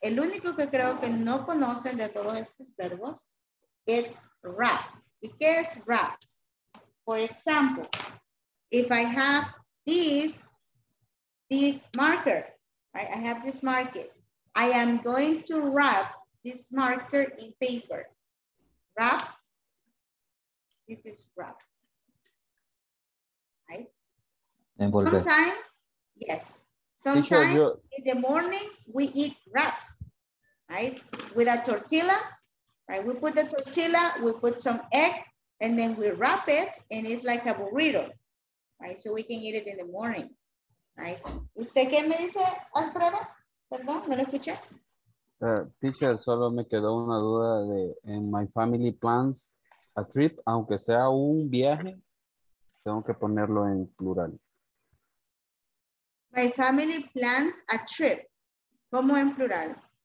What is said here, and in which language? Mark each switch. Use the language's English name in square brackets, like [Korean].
[Spanish] El único que creo que no conocen de todos estos verbos es wrap. ¿Y qué es wrap? [English] For example, if I have this marker, right? I have this marker. I am going to wrap this marker in paper. Wrap. This is wrap. Right? Sometimes, yes. Sometimes in the morning we eat wraps, right? With a tortilla, right? We put the tortilla, we put some egg, and then we wrap it, and it's like a burrito, right? So we can eat it in the morning, right? [Spanish] ¿Usted qué me dice, Alfredo? Perdón, no lo escuché. Teacher, solo me quedó una duda de, en my family plans a trip, aunque sea un viaje, tengo que ponerlo en plural. [English] My family plans a trip. [Spanish] ¿Cómo en plural?